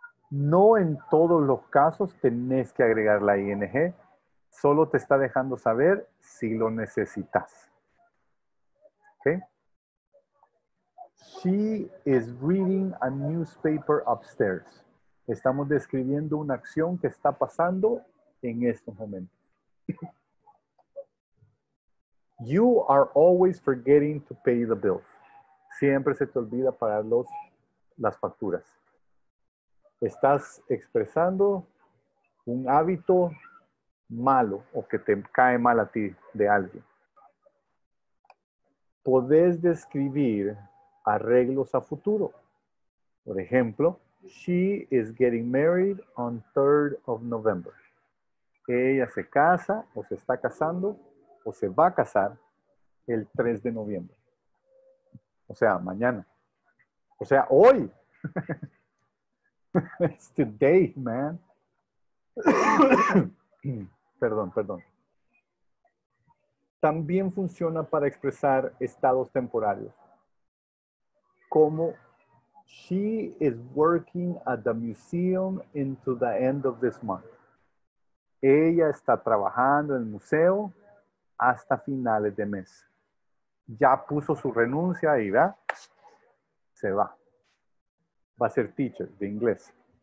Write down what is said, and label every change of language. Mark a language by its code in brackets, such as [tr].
[es] No en todos los casos tenés que agregar la ing, solo te está dejando saber si lo necesitas. Okay. [en] She is reading a newspaper upstairs. [es] Estamos describiendo una acción que está pasando en estos momentos. [en] You are always forgetting to pay the bills. [es] Siempre se te olvida pagar las facturas. Estás expresando un hábito malo o que te cae mal a ti de alguien. Podés describir arreglos a futuro. Por ejemplo, [en] she is getting married on 3rd of November. [es] Ella se casa o se está casando o se va a casar el 3 de noviembre. O sea, mañana. O sea, hoy. [en] It's today, man. [es] Perdón. También funciona para expresar estados temporarios. Como, [en] she is working at the museum into the end of this month. [es] Ella está trabajando en el museo hasta finales de mes. Ya puso su renuncia y va, se va. Va a ser teacher de inglés.